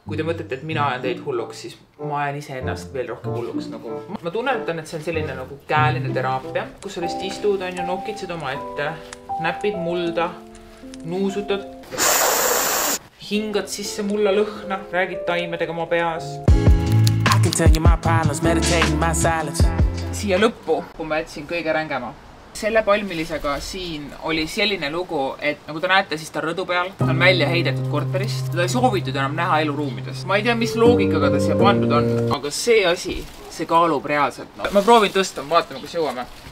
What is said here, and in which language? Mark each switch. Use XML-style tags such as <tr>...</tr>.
<et>Kui te mõtlete, et mina ajan teid hulluks, siis ma ajan ise ennast veel rohkem hulluks. Nagu. Ma tunnetan, et see on selline nagu käeline teraapia, kus sa lihtsalt istud, on ju, nokitsed oma ette, näpid mulda, nuusutad, hingad sisse mulla lõhna, räägid taimedega oma peas.</et> <en>I can tell you my problems, meditating my silence.</en> <et>Siia lõppu, kui ma jätsin kõige rängema. Selle palmilisega siin oli selline lugu, et nagu te näete, siis ta rõdu peal. Ta on välja heidetud korterist. Teda ei soovitud enam näha eluruumides. Ma ei tea, mis loogikaga ta siia pandud on, aga see asi, see kaalub reaalselt. No. Ma proovin tõsta, vaatame, kus jõuame.</et>